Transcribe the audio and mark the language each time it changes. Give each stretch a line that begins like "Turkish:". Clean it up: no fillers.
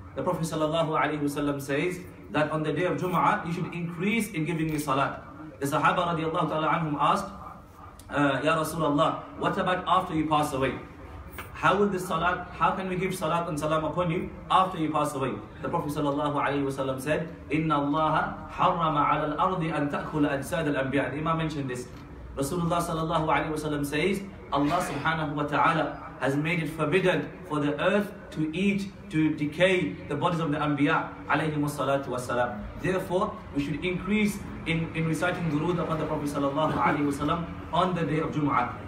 English: The Prophet sallallahu alayhi wa sallam says that on the day of Jumu'ah, you should increase in giving me salat. The Sahaba radiallahu ta'ala anhum asked, Ya Rasulullah, what about after you pass away? How can we give salat and salam upon you after you pass away? The Prophet sallallahu alayhi wa sallam said,
Arabic: إِنَّ اللَّهَ حَرَّمَ عَلَى الْأَرْضِ أَن تَأْكُلَ أَجْسَادَ الْأَنْبِيَاءِ.
English: The Imam mentioned this. Rasulullah sallallahu alayhi wa sallam says, Allah subhanahu wa ta'ala has made it forbidden for the earth to eat, to decay the bodies of the Anbiya alayhimu salatu wassalam. Therefore, we should increase in reciting durood upon the Prophet sallallahu alayhi wa sallam on the day of Jumu'ah.